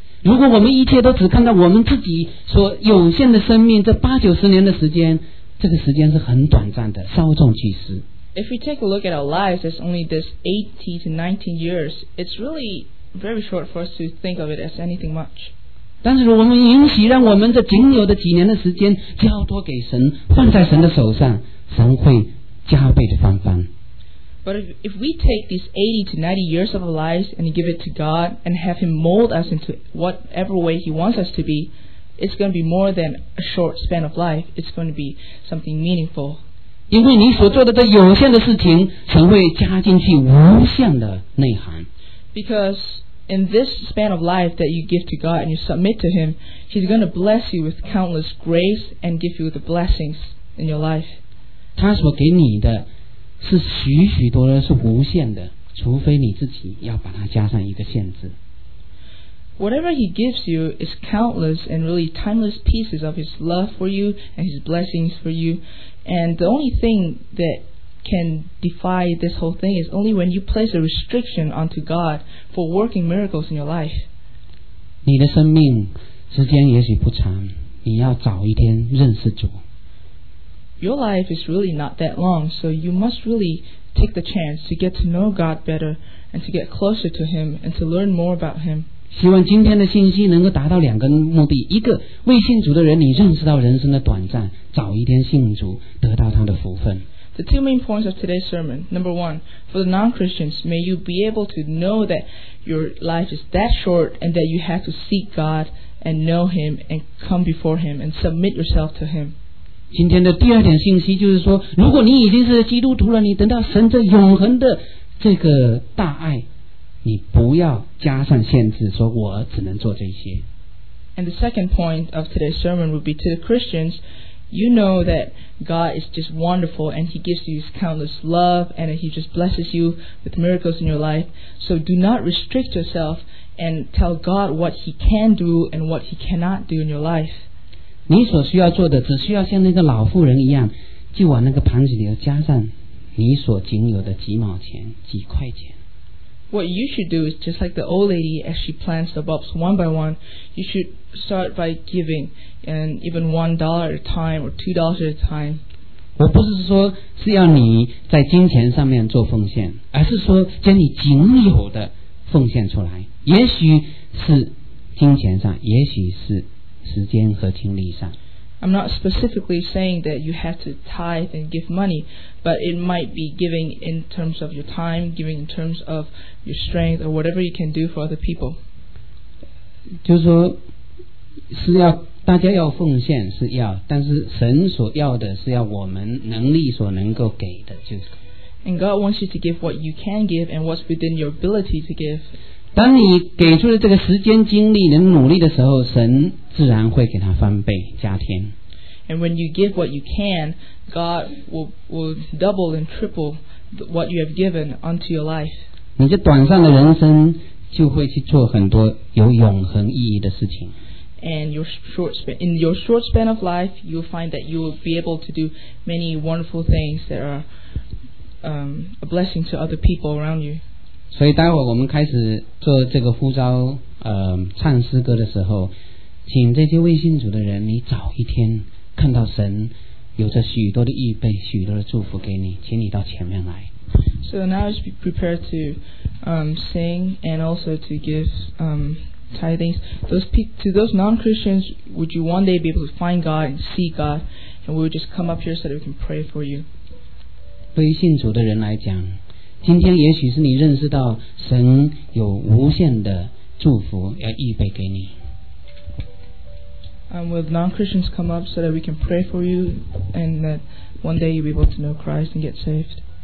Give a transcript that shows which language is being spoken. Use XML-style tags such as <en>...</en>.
<zh>如果我们一切都只看到我们自己所有限的生命，这八九十年的时间，这个时间是很短暂的，稍纵即逝。</zh> <en>If we take a look at our lives as only this 80 to 19 years, it's really very short for us to think of it as anything much.</en> <zh>但是我们允许让我们这仅有的几年的时间交托给神，放在神的手上，神会加倍的翻番。</zh> <en>But if we take these 80 to 90 years of our lives and give it to God and have Him mold us into whatever way He wants us to be, it's going to be more than a short span of life. It's going to be something meaningful.</en> <zh>因为你所做的这有限的事情，神会加进去无限的内涵。</zh> <en>Because in this span of life that you give to God and you submit to Him, He's going to bless you with countless grace and give you the blessings in your life.</en> <zh>他所给你的是许许多多，是无限的，除非你自己要把它加上一个限制。</zh> <en>Whatever He gives you is countless and really timeless pieces of His love for you and His blessings for you. And the only thing thatcan defy this whole thing is only when you place a restriction onto God for working miracles in your life.</en> <zh>你的生命时间也许不长，你要早一天认识主。</zh> <en>Your life is really not that long, so you must really take the chance to get to know God better and to get closer to Him and to learn more about Him.</en> <zh>希望今天的信息能够达到两个目的，一个，未信主的人你认识到人生的短暂，早一天信主得到他的福分。</zh> <en>The two main points of today's sermon. Number one, for the non-Christians, may you be able to know that your life is that short and that you have to seek God and know Him and come before Him and submit yourself to Him.</en> <zh>今天的第二点信息就是说，如果你已经是基督徒了，你等到神这永恒的这个大爱，你不要加上限制，说我只能做这些。</zh> <en>And the second point of today's sermon would be to the Christians. You know that God is just wonderful and He gives you His countless love and He just blesses you with miracles in your life. So do not restrict yourself and tell God what He can do and what He cannot do in your life.</en> <zh>你所需要做的只需要像那个老妇人一样，就往那个盘子里头加上你所仅有的几毛钱、几块钱。</zh> <en>What you should do is just like the old lady as she plants the bulbs one by one, you should start by giving and even $1 at a time or $2 at a time.</en> <zh>我不是说是要你在金钱上面做奉献，而是说将你仅有的奉献出来，也许是金钱上，也许是时间和精力上。</zh> <en>I'm not specifically saying that you have to tithe and give money, but it might be giving in terms of your time, giving in terms of your strength, or whatever you can do for other people.</en> <zh>就是说，是要，大家要奉献，是要，但是神所要的是要我们能力所能够给的，就是。</zh> <en>And God wants you to give what you can give and what's within your ability to give.</en> <zh>当你给出了这个时间、精力、能努力的时候，神自然会给他翻倍加添。</zh> <en>And when you give what you can, God will double and triple what you have given unto your life.</en> <zh>你这短暂的人生就会去做很多有永恒意义的事情。</zh> <en>And in your short span of life, you'll find that you'll be able to do many wonderful things that are a blessing to other people around you.</en> <zh>所以待会我们开始做这个呼召，唱诗歌的时候，请这些未信主的人，你早一天看到神有着许多的预备，许多的祝福给你，请你到前面来。</zh> <en>So now just be prepared to sing and also to give tithings. To those non-Christians, would you one day be able to find God and see God? And we'll just come up here so that we can pray for you.</en> <zh>对于信主的人来讲，今天也许是你认识到神有无限的祝福要预备给你。</zh> <en>Will non-Christians come up so that we can pray for you and that one day you'll be able to know Christ and get saved?</en>